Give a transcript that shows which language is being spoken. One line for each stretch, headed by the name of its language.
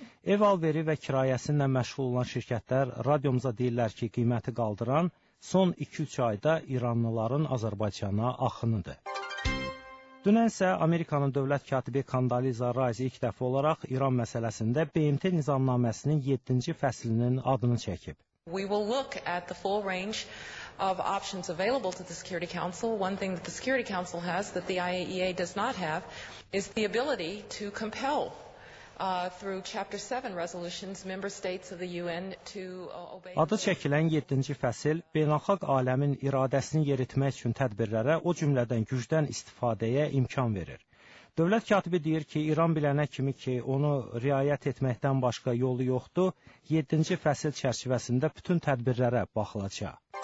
Azerbaijani: Ev alveri və kirayəsinlə məşğul olan şirkətlər radiomuza deyirlər ki, qiyməti qaldıran son 2-3 ayda İranlıların Azərbaycana axınıdır. Dünən isə Amerikanın dövlət katibi Condoleezza Rice ilk dəfə olaraq İran məsələsində BMT nizamnaməsinin 7-ci fəslinin adını çəkib.
English: We will look at the full range of options available to the Security Council. One thing that the Security Council has that the IAEA does not have is the ability to compel through Chapter 7 resolutions member states of the UN to obey.
Azerbaijani: Adı çəkilən 7-ci fəsil beynəlxalq aləmin iradəsini yeritmək üçün tədbirlərə, o cümlədən gücdən istifadəyə imkan verir. Dövlət katibi deyir ki, İran bilənə kimi ki, onu riayət etməkdən başqa yolu yoxdur, 7-ci fəsil çərçivəsində bütün tədbirlərə baxılacaq.